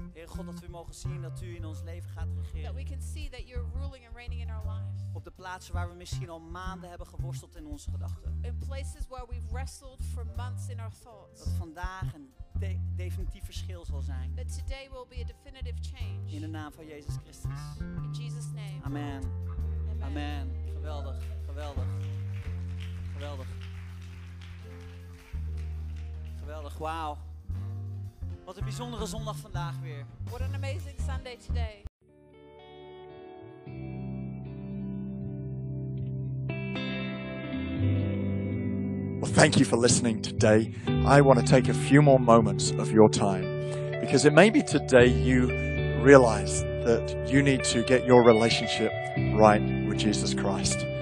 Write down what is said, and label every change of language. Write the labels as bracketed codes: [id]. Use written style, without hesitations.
[nl] Heer God, dat we mogen zien dat u in ons leven gaat regeren. [en] That we can see that you're ruling and reigning in our life. [nl] Op de plaatsen waar we misschien al maanden hebben geworsteld in onze gedachten. [en] In places where we've wrestled for months in our thoughts. [nl] Dat vandaag een definitief verschil zal zijn. [en] That today will be a definitive change. [nl] In de naam van Jezus Christus. [en] In Jesus' name. Amen. Amen. [nl] Amen. Geweldig, geweldig. Geweldig. Geweldig, wauw. Wat een bijzondere zondag vandaag weer. [en] What an amazing Sunday today. thank you for listening today. I want to take a few more moments of your time, because it may be today you realize that you need to get your relationship right with Jesus Christ.